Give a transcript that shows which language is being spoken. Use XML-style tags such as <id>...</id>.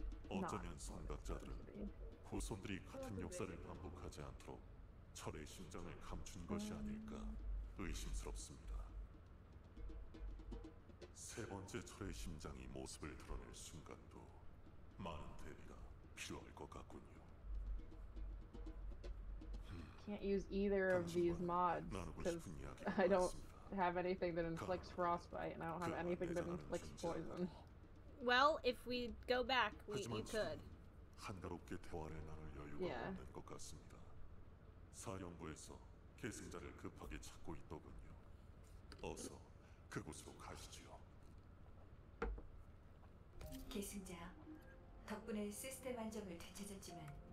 <ko>어쩌면 선덕자들은 후손들이 같은 역사를 반복하지 않도록 철의 심장을 감춘 것이 아닐까 의심스럽습니다. 세 번째 철의 심장이 모습을 드러낼 순간도 많은 대비가 필요할 것 같군요.</ko> <en>Can't use either of these mods because I don't have anything that inflicts frostbite, and I don't have anything that inflicts poison. Well, if we go back, we you could.</en> <ko>한가롭게 대화를 나눌 여유가 없는 것 같습니다. 사령부에서 계승자를 급하게 찾고 있더군요. 어서 그곳으로 가시지요. 계승자, 덕분에 시스템 안정을 되찾았지만.</ko>